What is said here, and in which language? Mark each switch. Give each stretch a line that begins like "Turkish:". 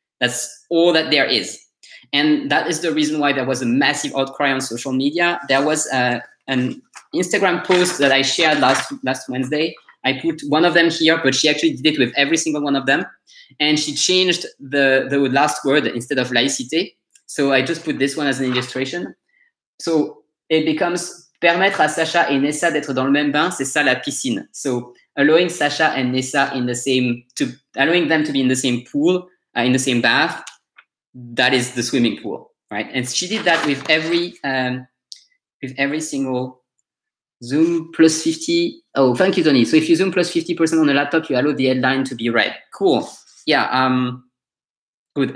English: That's all that there is. And that is the reason why there was a massive outcry on social media. There was an Instagram post that I shared last Wednesday. I put one of them here, but she actually did it with every single one of them. And she changed the last word instead of laïcité. So I just put this one as an illustration. So it becomes
French: permettre à Sasha et Nessa d'être dans le même bain, c'est ça la piscine.
English: So allowing Sasha and Nessa in the same, to allowing them to be in the same pool, in the same bath, that is the swimming pool, right? And she did that with every single Zoom plus 50. Oh, thank you, Tony. So if you Zoom plus 50% on the laptop, you allow the headline to be red. Cool. Yeah. Good.